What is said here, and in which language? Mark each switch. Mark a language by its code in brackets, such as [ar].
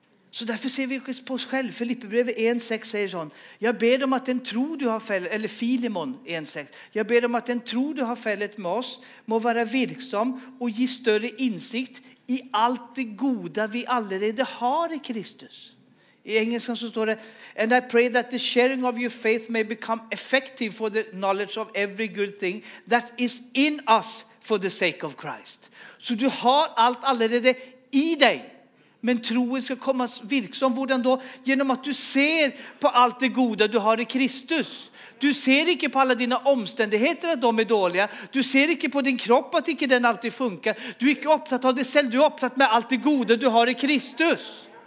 [sv] Så därför ser vi på oss själv. Filipperbrevet 1:6 säger sån: jag ber om att den tro du har fällt, eller Filemon 1:6. Jag ber om att den tro du har fällt med oss må vara virksam och ge större insikt i allt det goda vi allerede har i Kristus. I engelskan så står det: [en] and I pray that the sharing of your faith may become effective for the knowledge of every good thing that is in us for the sake of Christ. [sv] Så du har allt allerede i dig. Men troen ska komma virksam. Hvordan då? Genom att du ser på allt det goda du har i Kristus. Du ser inte på alla dina omständigheter att de är dåliga. Du ser inte på din kropp att inte den alltid funkar. Du är inte upptatt av dig själv. Du är upptatt med allt det goda du har i Kristus.